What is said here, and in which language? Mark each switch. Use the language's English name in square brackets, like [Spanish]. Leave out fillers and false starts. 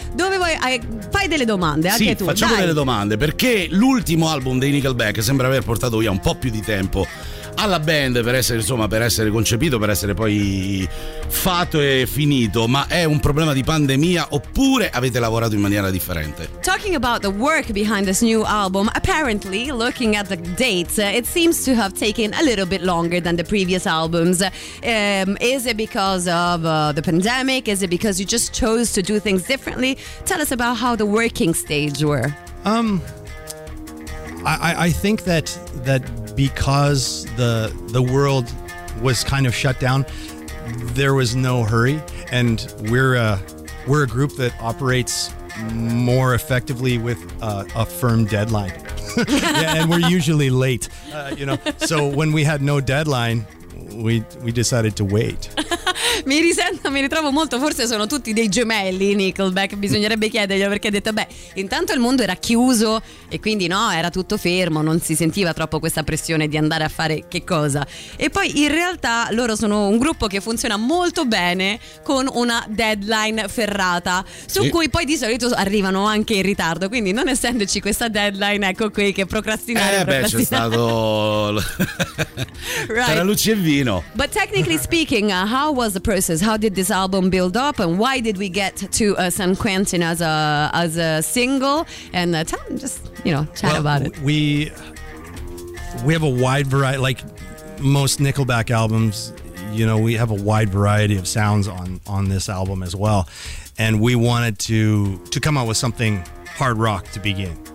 [Italian] Dove vuoi, fai delle domande anche sì, tu. Facciamo dai. Delle domande, perché l'ultimo album dei Nickelback sembra aver portato via un po' più di tempo alla band per essere, insomma, per essere concepito, per essere poi fatto e finito. Ma è un problema di pandemia oppure avete lavorato in maniera differente? [English] Talking about the work behind this new album, apparently looking at the dates, it seems to have taken a little bit longer than the previous albums. Is it because of the pandemic? Is it because you just chose to do things differently? Tell us about how the working stage were. I think that because the world was kind of shut down, there was no hurry, and we're a group that operates more effectively with a firm deadline. Yeah, and we're usually late, you know. So when we had no deadline, we decided to wait. [Italian] Mi risento, mi ritrovo molto, forse sono tutti dei gemelli Nickelback, bisognerebbe chiedergli, perché ha detto, beh, intanto il mondo era chiuso e quindi no, era tutto fermo, non si sentiva troppo questa pressione di andare a fare che cosa. E poi in realtà loro sono un gruppo che funziona molto bene con una deadline ferrata, su sì. cui poi di solito arrivano anche in ritardo, quindi non essendoci questa deadline, ecco qui che procrastinare. C'è stato [English] right. [Italian] tra luce e vino. [English] But technically speaking, how was the process, how did this album build up, and why did we get to San Quentin as a single, and tell them, just, you know, chat well, about it. We have a wide variety, like most Nickelback albums, you know, we have a wide variety of sounds on this album as well, and we wanted to come out with something hard rock to begin.